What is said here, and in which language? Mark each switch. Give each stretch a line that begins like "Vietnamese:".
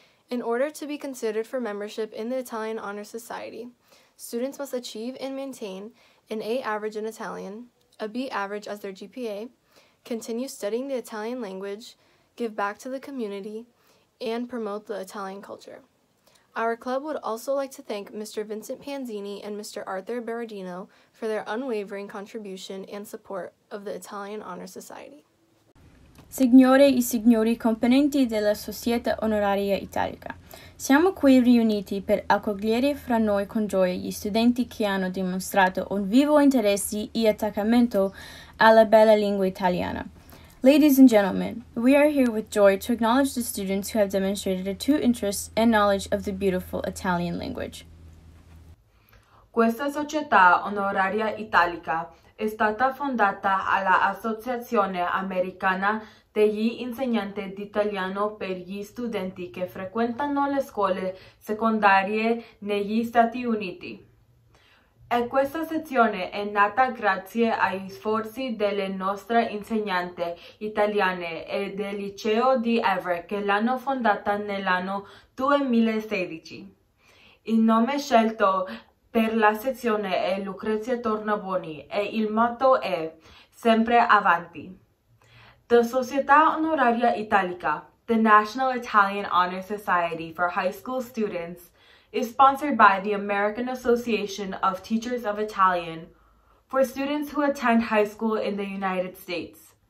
English: In order to be considered for membership in the Italian Honor Society, students must achieve and maintain an A average in Italian, a B average as their GPA, continue studying the Italian language, give back to the community, and promote the Italian culture. Our club would also like to thank Mr. Vincent Panzini and Mr. Arthur Berardino for their unwavering contribution and support of the Italian Honor Society.
Italian: Signore e signori componenti della Società Onoraria Italica, siamo qui riuniti per accogliere fra noi con gioia gli studenti che hanno dimostrato un vivo interesse e attaccamento alla bella lingua italiana.
English: Ladies and gentlemen, we are here with joy to acknowledge the students who have demonstrated a true interest and knowledge of the beautiful Italian language.
Italian: Questa Società Onoraria Italica è stata fondata alla Associazione Americana degli Insegnanti d'Italiano per gli studenti che frequentano le scuole secondarie negli Stati Uniti. E questa sezione è nata grazie agli sforzi delle nostre insegnanti italiane e del liceo di Everett che l'hanno fondata nell'anno 2016. Il nome scelto per la sezione è Lucrezia Tornabuoni e il motto è Sempre Avanti.
English: The Società Onoraria Italica, the National Italian Honor Society for High School Students, is sponsored by the American Association of Teachers of Italian for students who attend high school in the United States.